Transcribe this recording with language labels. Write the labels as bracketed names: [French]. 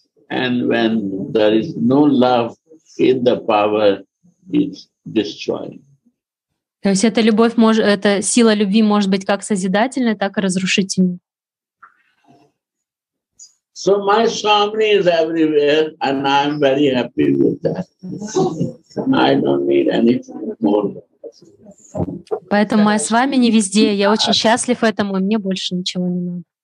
[English] And when there is no love in the power, it's destroying. [Russian] То есть эта любовь может, эта сила любви может быть как созидательной, так и разрушительной. [English] So my Swami is everywhere, and I'm very happy with that. I don't need anything more. [Russian] Поэтому моя Свами не везде. Я очень счастлив этому, и мне больше ничего не надо.